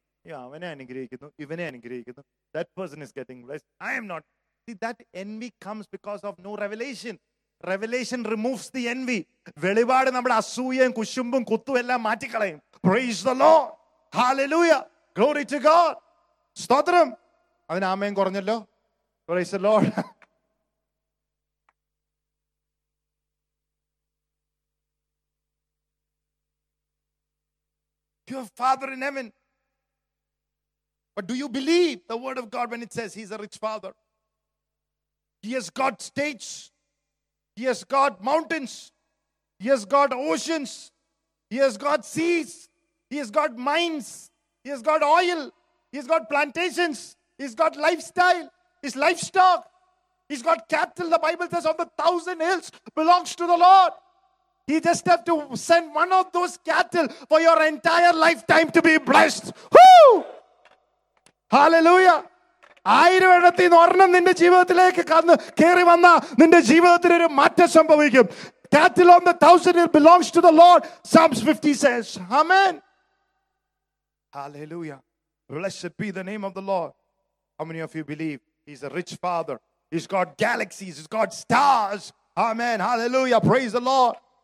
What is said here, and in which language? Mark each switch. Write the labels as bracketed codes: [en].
[ml] Yeah, അവനെ അനുഗ്രഹിക്കുന്നു, ഇവനെ അനുഗ്രഹിക്കുന്നു. [en] That person is getting blessed. I am not. See, that envy comes because of no revelation. Revelation removes the envy. [ml] വെളിപാട് നമ്മുടെ അസൂയയും കുശുമ്പും കുത്തും എല്ലാം മാറ്റിക്കളയും. [en] Praise the Lord. Hallelujah. Glory to God. സ്തോത്രം. [ml] അതിന് ആമേൻ കുറഞ്ഞല്ലോ. [en] Praise the Lord. Your father in heaven. But do you believe the word of God when it says he's a rich father? He has got states. He has got mountains. He has got oceans. He has got seas. He has got mines. He has got oil. He has got plantations. He's got lifestyle. His livestock. He's got cattle. The Bible says of the thousand hills belongs to the Lord. He just have to send one of those cattle for your entire lifetime to be blessed. Woo! Hallelujah. [ml] ആയിരം എഴുത്തി ഒരെണ്ണം നിന്റെ ജീവിതത്തിലേക്ക് കന്ന് കയറി വന്നാൽ നിന്റെ ജീവിതത്തിൽ ഒരു മാറ്റം സംഭവിക്കും. [en] Cattle on the thousand it belongs to the Lord. Psalms 50 says. Amen. Hallelujah. Blessed be the name of the Lord. How many of you believe he's a rich father? He's got galaxies. He's got stars. Amen. Hallelujah. Praise the Lord.